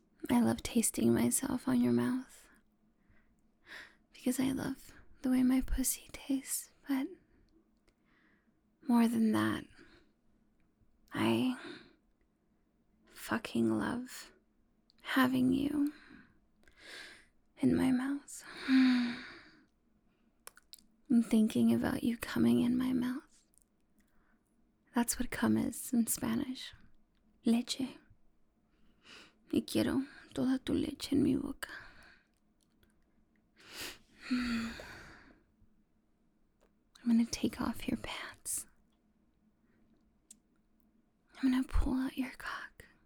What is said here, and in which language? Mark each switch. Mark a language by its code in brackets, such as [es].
[en] I love tasting myself on your mouth because I love the way my pussy tastes, but more than that, I fucking love having you in my mouth and thinking about you coming in my mouth. That's what cum is in Spanish. [es] Leche. Y quiero toda tu leche en mi boca. [en] I'm gonna take off your pants. I'm gonna pull out your cock.